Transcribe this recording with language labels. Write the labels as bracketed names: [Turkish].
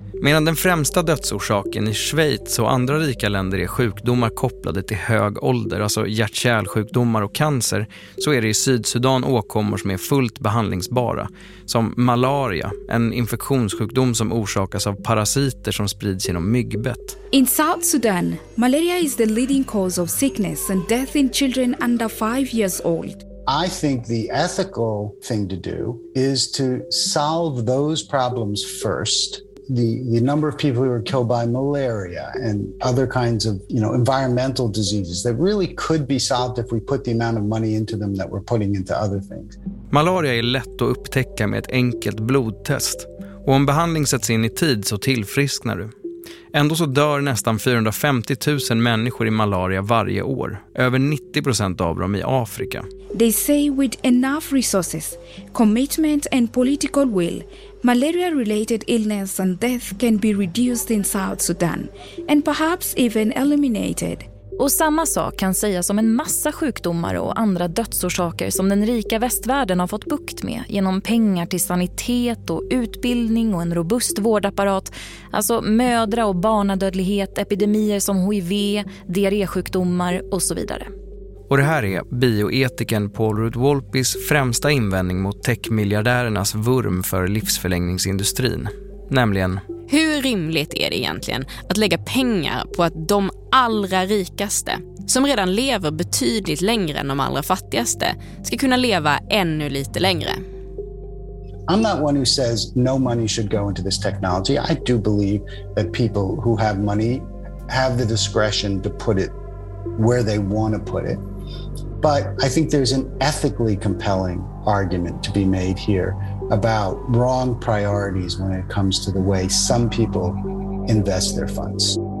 [Swedish] Medan den främsta dödsorsaken i Schweiz och andra rika länder är sjukdomar kopplade till hög ålder, alltså hjärt-kärlsjukdomar och cancer, så är det i Sydsudan åkommor som är fullt behandlingsbara, som malaria, en infektionssjukdom som orsakas av parasiter som sprids genom myggbett. [English] In South Sudan, malaria is the leading cause of sickness and death in children under 5 years old. I think the ethical thing to do is to solve those problems first. The number of people who are killed by malaria and other kinds of, you know, environmental diseases that really could be solved if we put the amount of money into them that we're putting into other things. [Swedish] Malaria är lätt att upptäcka med ett enkelt blodtest. Och om behandling sätts in i tid så tillfrisknar du. Ändå så dör nästan 450 000 människor i malaria varje år. Över 90% av dem i Afrika. [English] They say with enough resources, commitment and political will, malaria-related illness and death can be reduced in South Sudan and perhaps even eliminated. [Swedish] Och samma sak kan sägas om en massa sjukdomar och andra dödsorsaker som den rika västvärlden har fått bukt med genom pengar till sanitet och utbildning och en robust vårdapparat, alltså mödra- och barnadödlighet, epidemier som HIV, diarrésjukdomar och så vidare. Och det här är bioetiken Paul Rudd-Wolpys främsta invändning mot techmiljardärernas vurm för livsförlängningsindustrin. Nämligen, hur rimligt är det egentligen att lägga pengar på att de allra rikaste, som redan lever betydligt längre än de allra fattigaste, ska kunna leva ännu lite längre? [English] I'm not one who says no money should go into this technology. I do believe that people who have money have the discretion to put it where they want to put it. But I think there's an ethically compelling argument to be made here about wrong priorities when it comes to the way some people invest their funds.